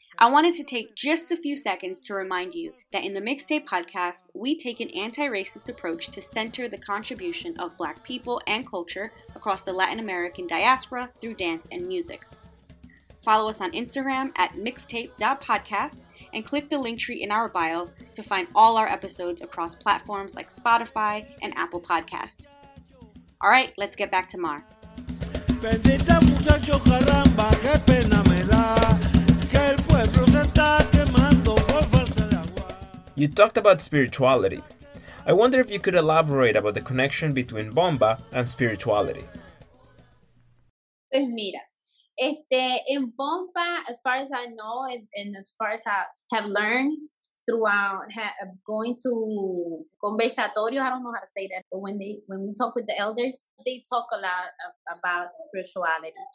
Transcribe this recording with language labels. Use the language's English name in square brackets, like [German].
[English] I wanted to take just a few seconds to remind you that in the Mixtape Podcast, we take an anti-racist approach to center the contribution of Black people and culture across the Latin American diaspora through dance and music. Follow us on Instagram at mixtape.podcast and click the link tree in our bio to find all our episodes across platforms like Spotify and Apple Podcast. All right, let's get back to Mar. [Spanish] Bendita muchacho caramba, qué pena me da, que el pueblo se está quemando por falta de agua. [English] You talked about spirituality. I wonder if you could elaborate about the connection between bomba and spirituality. [Spanish] Pues mira, [English] in bomba, as far as I know, and as far as I have learned throughout going to conversatorio, I don't know how to say that, but when we talk with the elders, they talk a lot about spirituality.